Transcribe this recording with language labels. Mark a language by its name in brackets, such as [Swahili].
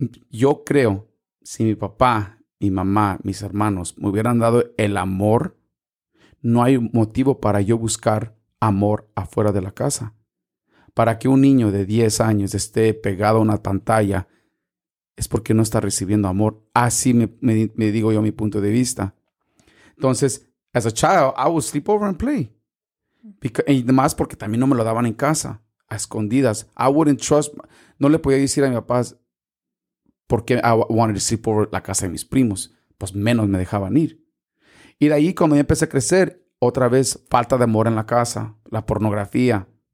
[Spanish] Yo creo, si mi papá, mi mamá, mis hermanos me hubieran dado el amor, no hay motivo para yo buscar amor afuera de la casa. Para que un niño de 10 años esté pegado a una pantalla, es porque no está recibiendo amor. Así me digo yo mi punto de vista. [English] Entonces, as a child, I would sleep over and play. [Spanish] Y además porque también no me lo daban en casa, a escondidas. [English] I wouldn't trust, [Spanish] no le podía decir a mi papá, porque [English] I wanted to sleep over [Spanish] la casa de mis primos, pues menos me dejaban ir. Y de ahí, cuando ya empecé a crecer, otra vez, falta de amor en la casa, la pornografía.